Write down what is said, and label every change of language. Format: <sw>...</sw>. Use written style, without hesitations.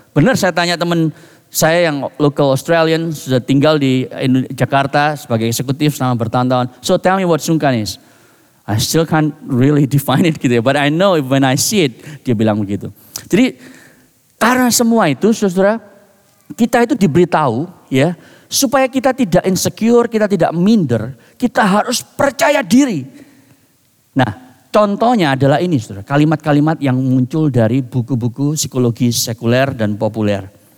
<id>Benar, saya tanya teman saya yang local Australian, sudah tinggal di Jakarta sebagai eksekutif selama bertahun-tahun.</id> <en>So tell me what sungkan is. I still can't really define it,</en> <id>gitu ya.</id> <en>But I know when I see it,</en> <id>dia bilang begitu. Jadi karena semua itu, saudara, kita itu diberitahu ya, supaya kita tidak insecure, kita tidak minder, kita harus percaya diri. Nah, contohnya adalah ini, saudara, kalimat-kalimat yang muncul dari buku-buku psikologi sekuler dan populer.</id>